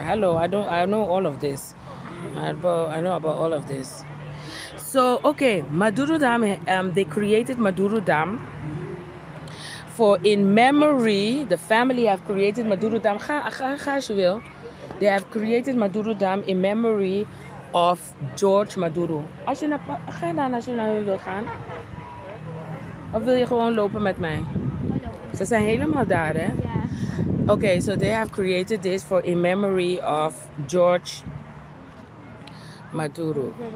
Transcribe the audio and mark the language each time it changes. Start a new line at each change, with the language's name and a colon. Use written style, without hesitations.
English: Hello, I know about all of this. So, okay, Madurodam, they created Madurodam for in memory, the family have created Madurodam. They have created Madurodam in memory of George Maduro.
Dutch: Als je naar ga dan als je naar hun wil gaan. Of wil je gewoon lopen met mij? Ze zijn helemaal daar, hè? Ja.
English: Okay, so they have created this for in memory of George Maduro.